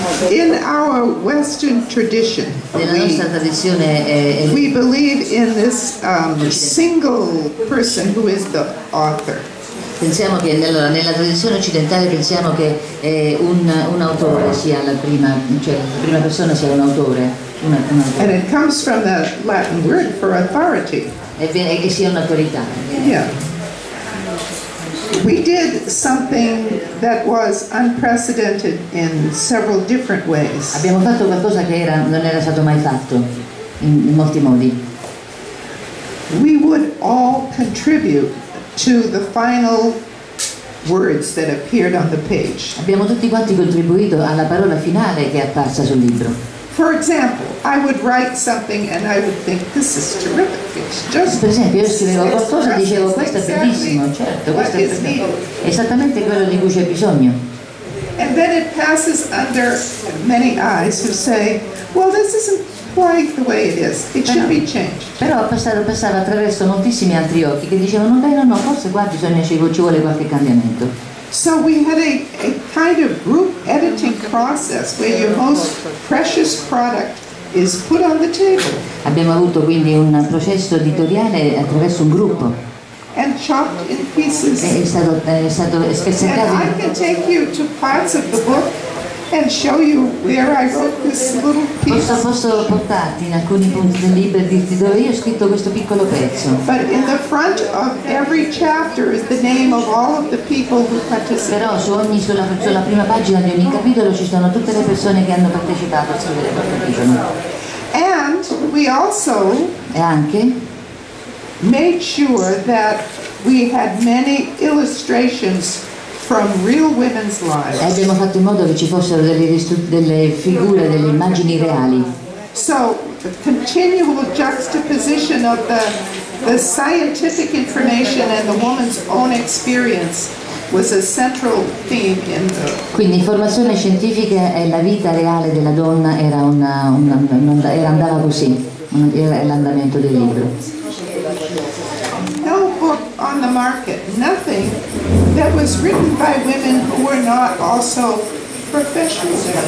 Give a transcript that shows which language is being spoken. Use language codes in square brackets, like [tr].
[en] In our Western tradition, we believe in this single person who is the author. [it] Pensiamo che nella tradizione occidentale pensiamo che un autore sia la prima, cioè la prima persona sia un autore. [en] And it comes from the Latin word for authority. [it] E che sia un'autorità. [en] We did something that was unprecedented in several different ways. [it] Abbiamo fatto qualcosa che non era stato mai fatto in molti modi. [en] We would all contribute to the final words that appeared on the page. [it] Abbiamo tutti quanti contribuito alla parola finale che è apparsa sul libro. [en] For example, I would write something and I would think this is terrific. It's just [it] per esempio, io scrivevo qualcosa e dicevo questo è bellissimo, certo, questo è bellissimo. Esattamente quello di cui c'è bisogno. [en] And then it passes under many eyes who say, well, this isn't quite the way it is. It should be changed. [it] Però passava attraverso moltissimi altri occhi che dicevano, no, forse qua bisogna ci vuole qualche cambiamento. [en] So we had a kind of group editing process where your most precious product is put on the table. [it] Abbiamo avuto quindi un processo editoriale attraverso un gruppo. [en] And chopped in pieces. [it] È stato spezzettato. [en] And I can take you to parts of the book and show you where I wrote this little piece. [it] Posso portarti in alcuni punti del libro e dirti dove io ho scritto questo piccolo pezzo. [en] But in the front of every chapter is the name of all of the people who participated. [it] Però sulla prima pagina di ogni capitolo ci sono tutte le persone che hanno partecipato a scrivere questo capitolo. [en] And we also made sure that we had many illustrations from real women's lives. [it] Abbiamo fatto in modo che ci fossero delle figure, delle immagini reali. [en] So, the continual juxtaposition of the scientific information and the woman's own experience was a central theme in the. [it] Quindi, informazione scientifica e la vita reale della donna andava così, era l'andamento del libro. [en] No book on the market, nothing that was written by women who were not also professionals.